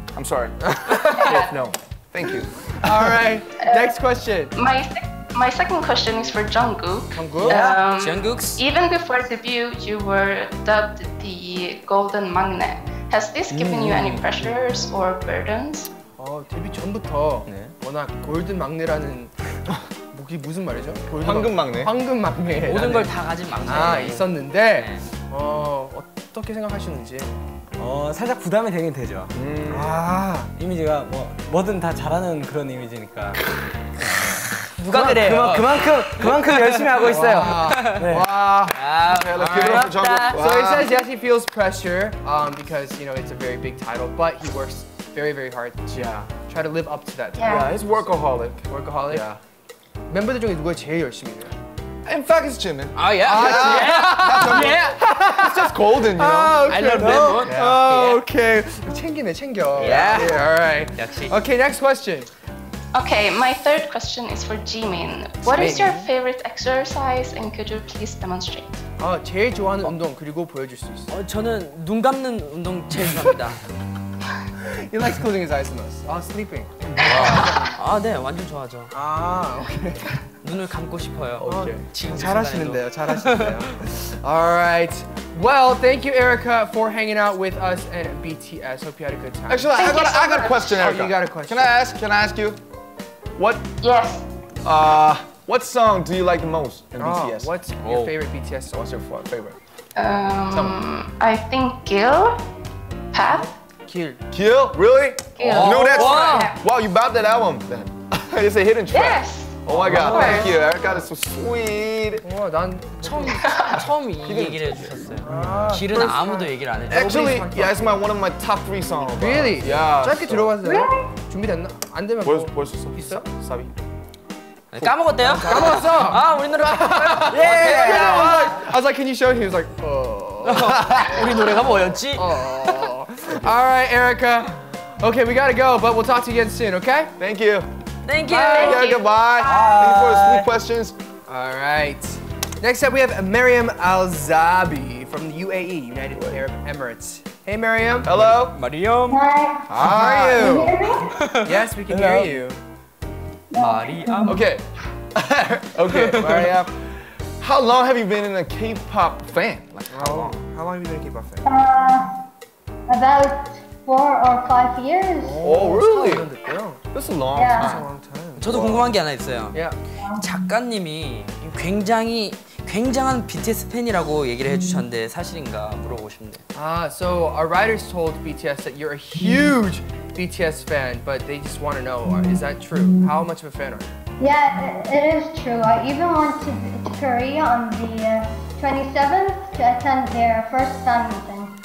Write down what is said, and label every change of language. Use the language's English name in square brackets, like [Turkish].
[English] I'm sorry. Yeah, no. Thank you. All right, next question. My second question is for Jungkook. Jungkook? Yeah. Jungkook's? Even before debut, you were dubbed the Golden Magnet. Has this given you any pressures or burdens? [Korean] 아, 데뷔 전부터 네. 워낙 골든 막내라는 목이 무슨 말이죠? 황금 막내. 황금 막내. 모든 걸 다 가진 막내. 아, 있었는데 네. 어떻게 생각하시는지? 살짝 부담이 되긴 되죠. 아, 이미지가 뭐든 다 잘하는 그런 이미지니까. 누가 그래요? 그만큼 열심히 하고 있어요. 와. 네. 와. [English] Okay, let's give it up for Jungkook. So he says yes, he feels pressure because you know it's a very big title, but he works very, very hard to try to live up to that. Yeah, he's workaholic. Workaholic? Yeah. [Korean] 멤버들 중에 누가 제일 열심히 해요? [English] In fact, it's Jimin. Oh, yeah. Yeah. Jungkook. Yeah. It's just golden, you know? Oh, okay. I love that one. [Korean] Yeah. Oh, okay. 챙기네, 챙겨. [English] Yeah. All right. [Korean] 역시. [English] Okay, next question. Okay, my third question is for Jimin. What is your favorite exercise and could you please demonstrate? [Korean] 아, 제일 좋아하는 운동 그리고 보여줄 수 있어요. 저는 눈 감는 운동 제일 좋아합니다. [English] He likes closing his eyes the most. Oh, sleeping. [Korean] Wow. 아, 네, 완전 좋아하죠. 아, okay. 눈을 감고 싶어요. [English] Okay. [Korean] 잘하시는데요, 잘하시는데요. [English] All right. Well, thank you, Erica, for hanging out with us and BTS. Hope you had a good time. Actually, I got a question, Erica. Oh, you got a question. Can I ask you? What? Yes. What song do you like the most in BTS? What's your favorite BTS song? What's your favorite? I think Gil. Path. Kill? Really? Kill. You know that song? Wow, you bought that album then. It's a hidden track. Yes. Oh my god, thank you. Erica is so sweet. [Korean] Wow, 난 처음 이 얘기를 해주셨어요. 길은 아무도 얘기를 안 해줘. [English] Actually, yeah, it's one of my top three songs. Really? Yeah. [Korean] 짧게 들어봤어요? [English] Really? [Korean] 준비됐나? 안 되면 뭐? 벌써 있어? 사비. 까먹었대요? 까먹었어! 아, 우리 노래가 예! [English] I was like, can you show him? He was like, [Korean] 우리 노래가 뭐였지? [English] All right, Erica. Okay, we gotta go, but we'll talk to you again soon, okay? Thank you. Thank you. Bye, Erica. Bye. Thank you for the sweet questions. All right. Next up, we have Maryam Alzabi from the UAE, United Arab Emirates. Hey, Mariam. Hello. Mariam. Hi. How are you? Can you hear me? Yes, we can hear you. Mariam. Okay. Okay, Mariam. How long have you been in a K-pop fan? Like, how long? How long have you been a K-pop fan? About 4 or 5 years. Oh, really? That's a long time. That's a long time. [Korean] 저도 궁금한 게 하나 있어요. [English] Yeah. [Korean] 작가님이 굉장히 굉장한 BTS 팬이라고 얘기를 해주셨는데 사실인가 물어보고 싶네요. [English] So our writers told BTS that you're a huge BTS fan, but they just want to know, is that true? How much of a fan are you? Yeah, it is true. I even went to Korea on the 27th to attend their first fan meeting.